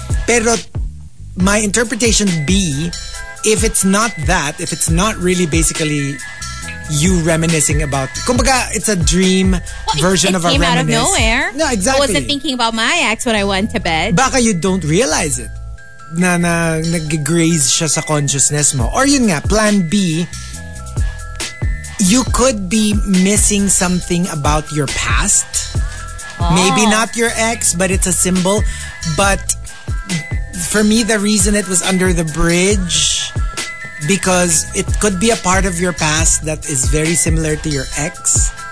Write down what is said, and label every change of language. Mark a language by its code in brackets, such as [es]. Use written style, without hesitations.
[en] Pero my interpretation B, if it's not that, if it's not really basically you reminiscing about, kumbaga, it's a dream version of a reminiscence. It came out of nowhere. No, exactly. I wasn't thinking about my ex when I went to bed. Baka you don't realize it. [tl] Na nag-graze siya sa consciousness mo. [en] Or yun nga, plan B, you could be missing something about your past. Maybe not your ex, but it's a symbol. But for me, the reason it was under the bridge, because it could be a part of your past that is very similar to your ex.